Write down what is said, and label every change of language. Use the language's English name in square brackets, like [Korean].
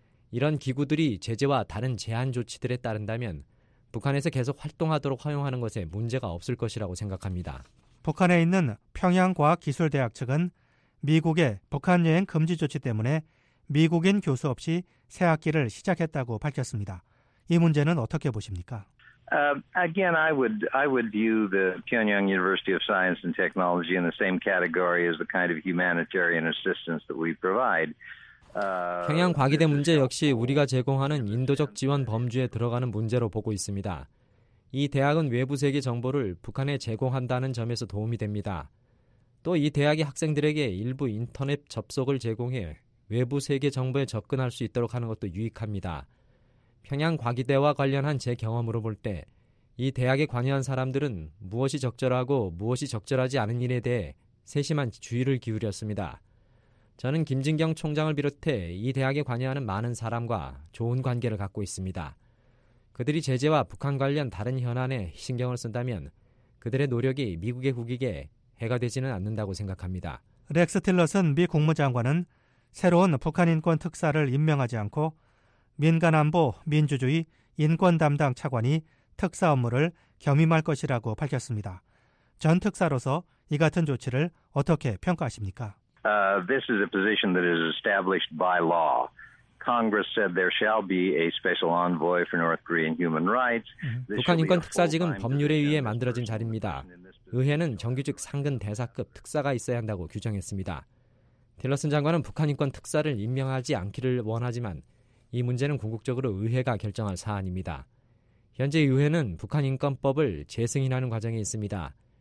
[Korean] 이런 기구들이 제재와 다른 제한 조치들에 따른다면 북한에서 계속 활동하도록 허용하는 것에 문제가 없을 것이라고 생각합니다. 북한에 있는 평양과학기술대학 측은 미국의 북한 여행 금지 조치 때문에 미국인 교수 없이 새 학기를 시작했다고 밝혔습니다. 이 문제는 어떻게 보십니까? [English] Again, I would view the Pyongyang University of Science and Technology in the same category as the kind of humanitarian assistance that we provide. [Korean] 평양 과기대 문제 역시 우리가 제공하는 인도적 지원 범주에 들어가는 문제로 보고 있습니다. 이 대학은 외부 세계 정보를 북한에 제공한다는 점에서 도움이 됩니다. 또 이 대학이 학생들에게 일부 인터넷 접속을 제공해 외부 세계 정보에 접근할 수 있도록 하는 것도 유익합니다. 평양 과기대와 관련한 제 경험으로 볼 때 이 대학에 관여한 사람들은 무엇이 적절하고 무엇이 적절하지 않은 일에 대해 세심한 주의를 기울였습니다. 저는 김진경 총장을 비롯해 이 대학에 관여하는 많은 사람과 좋은 관계를 갖고 있습니다. 그들이 제재와 북한 관련 다른 현안에 신경을 쓴다면 그들의 노력이 미국의 국익에 해가 되지는 않는다고 생각합니다. 렉스 틸러슨 미 국무장관은 새로운 북한 인권 특사를 임명하지 않고 민간안보, 민주주의, 인권 담당 차관이 특사 업무를 겸임할 것이라고 밝혔습니다. 전 특사로서 이 같은 조치를 어떻게 평가하십니까? [English] This is a position that is established by law. Congress said there shall be a special envoy for North Korean human rights. [Korean] 북한 인권 특사직은 법률에 의해 만들어진 자리입니다. 의회는 정규직 상근 대사급 특사가 있어야 한다고 규정했습니다. 틸러슨 장관은 북한 인권 특사를 임명하지 않기를 원하지만 이 문제는 궁극적으로 의회가 결정할 사안입니다. 현재 의회는 북한 인권법을 재승인하는 과정에 있습니다.